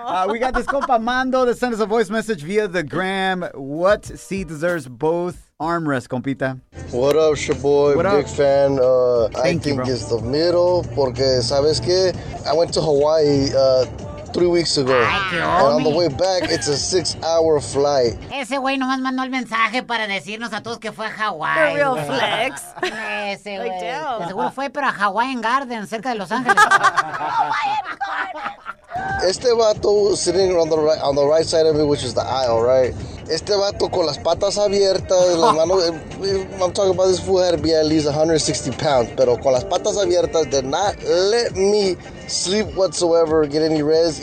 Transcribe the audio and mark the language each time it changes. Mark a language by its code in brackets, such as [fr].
[en] We got this compa Mando that sent us a voice message via the gram. What seat deserves both armrest, compita? What up, Shaboy? What big up? Fan. Thank you, bro. It's the middle, [es] porque sabes que [en] I went to Hawaii 3 weeks ago. Ay, and on the way back, it's a 6-hour flight. [es] Ese güey nomás mandó el mensaje para decirnos a todos que fue a Hawaii. [en] A real flex. [es] Ese güey. Seguro fue, pero a Hawaiian Garden, cerca de Los Ángeles. Este vato [en] sitting on the right side of me, which is the aisle, right? [es] Este vato con las patas abiertas, las manos, [en] I'm talking about this fool had to be at least 160 pounds, [es] pero con las patas abiertas, [en] did not let me sleep whatsoever, get any rest.